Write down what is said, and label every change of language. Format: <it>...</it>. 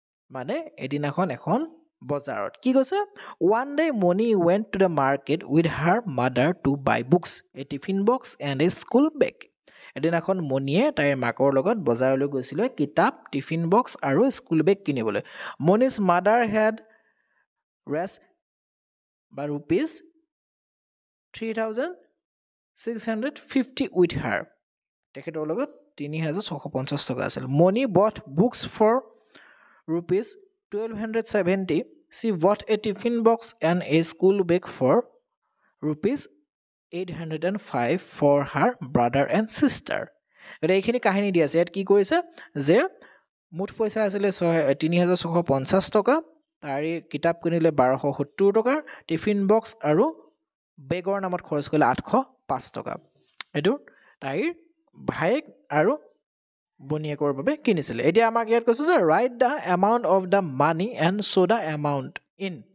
<as>মানে এদিনাখন এখন বজাৰত কি কৈছে</as> <en>one day Moni went to the market with her mother to buy books a tiffin box and a school bag</en> <as>এদিনাখন মণিয়ে তাইৰ মাকৰ লগত বজাৰলৈ গৈছিলে কিতাপ টিফিন বক্স আৰু স্কুল বেগ কিনিবলৈ</as> <en>Moni's mother had ৰেছ বা rupees 3650 with her</en> <as>তেখেতৰ লগত 3650 টকা আছিল</as> <en>Moni bought books for Rupees 1270. She bought a tiffin box and a school bag for rupees 805 for her brother and sister.</en> <as>এইখিনি কাহিনী দিয়া আছে কি কৈছে যে মুঠ পইচা আছিল 3650 টকা তারি কিতাপ কিনিলে 1270 টকা টিফিন বক্স আৰু বেগৰ নামত খৰচ কৰিলে 805 টকা এটো তাই ভাইক আৰু বনিয়াকৰ বাবে কিনিছিলে এতিয়া আমাক ইয়াত কৈছে যে</as> <en>write the amount of the money and show' the amount in</en>